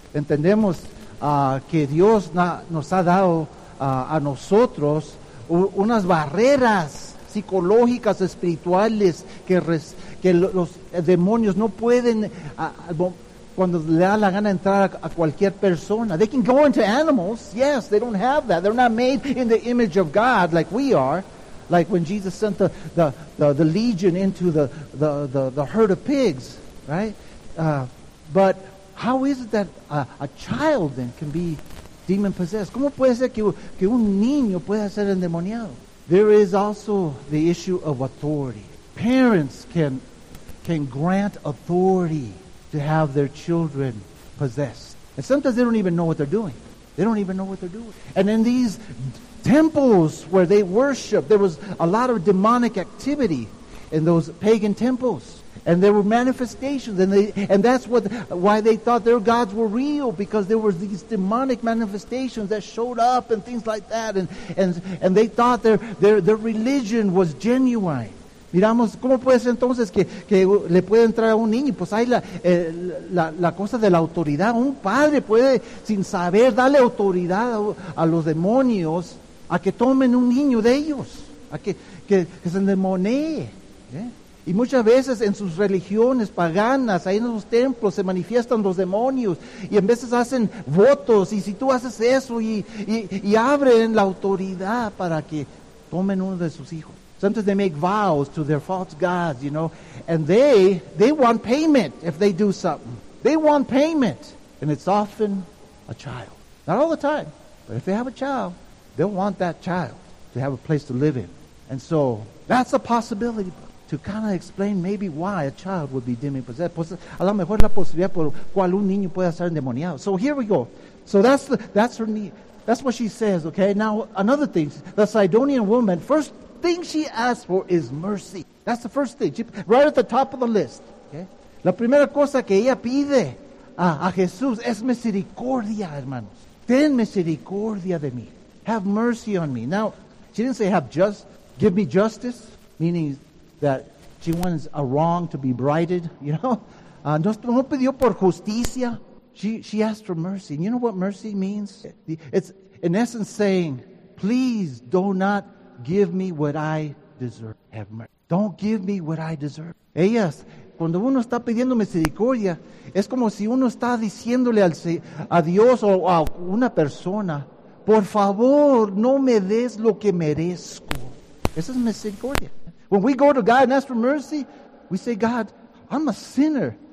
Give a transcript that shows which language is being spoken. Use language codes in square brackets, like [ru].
[es] Entendemos que Dios nos ha dado a nosotros unas barreras psicológicas espirituales que los demonios no pueden cuando le da la gana entrar a cualquier persona. [en] They can go into animals. Yes, they don't have that. They're not made in the image of God like we are. Like when Jesus sent the legion into the herd of pigs, right? But how is it that a child then can be demon-possessed? [es] ¿Cómo puede ser que un niño pueda ser endemoniado? [en] There is also the issue of authority. Parents can grant authority to have their children possessed. And sometimes they don't even know what they're doing. They don't even know what they're doing. And in these temples where they worship, there was a lot of demonic activity in those pagan temples. And there were manifestations. And that's why they thought their gods were real, because there were these demonic manifestations that showed up and things like that. And they thought their religion was genuine. [es] Miramos, ¿cómo puede ser entonces que le puede entrar a un niño? Pues ahí la cosa de la autoridad. Un padre puede, sin saber, darle autoridad a los demonios a que tomen un niño de ellos, a que se endemonee. ¿Eh? Y muchas veces en sus religiones paganas, ahí en los templos, se manifiestan los demonios y en veces hacen votos. Y si tú haces eso y abren la autoridad para que tomen uno de sus hijos. [en] Sometimes they make vows to their false gods, you know. And they want payment if they do something. They want payment. And it's often a child. Not all the time. But if they have a child, they'll want that child to have a place to live in. And so that's a possibility to kind of explain maybe why a child would be demon possessed. [es] A lo mejor la posibilidad por cual un niño puede ser endemoniado. [en] So here we go. So that's her need. That's what she says, okay? Now, another thing. The Sidonian woman, first thing she asks for is mercy. That's the first thing. She, right at the top of the list. Okay? [es] La primera cosa que ella pide a Jesús es misericordia, hermanos. Ten misericordia de mí. [en] Have mercy on me. Now, she didn't say give me justice, meaning that she wants a wrong to be righted, you know? [es] No pidió por justicia. [en] She asked for mercy. And you know what mercy means? It's in essence saying, please do not give me what I deserve. Have mercy. Don't give me what I deserve. [es] Ellas, cuando uno está pidiendo misericordia, es como si uno está diciéndole a Dios o a una persona, por favor, no me des lo que merezco. Esa es misericordia. [en] When we go to God and ask for mercy, we say, God, I'm a sinner.